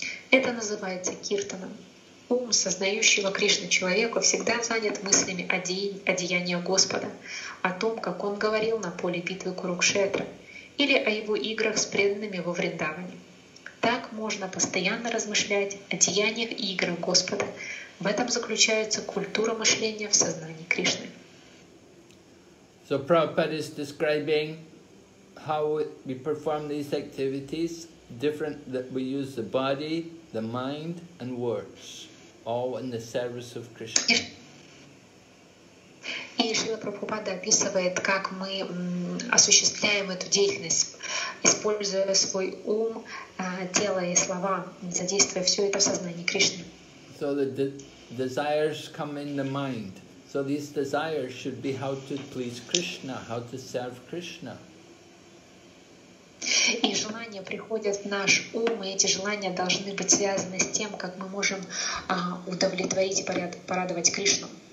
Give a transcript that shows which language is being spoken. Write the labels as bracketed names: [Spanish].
[Russian] Это называется киртаном. Ум, сознающего Кришну человека, всегда занят мыслями о деяниях Господа, о том, как он говорил на поле битвы Курукшетра, или о его играх с преданными во Вриндаване. Так можно постоянно размышлять о деяниях и играх Господа. В этом заключается культура мышления в сознании Кришны. [English] So Prabhupada is describing how we perform these activities different, that we use the body, the mind and words, all in the service of Krishna. [Russian] И Шрила Прабхупада описывает, как мы осуществляем эту деятельность, используя свой ум, тело и слова, задействуя все это в сознании Кришны. [English] So the desires come in the mind. So these desires should be how to please Krishna, how to serve Krishna. [Russian] И желания приходят в наш ум, и эти желания должны быть связаны с тем, как мы можем удовлетворить и порадовать Кришну.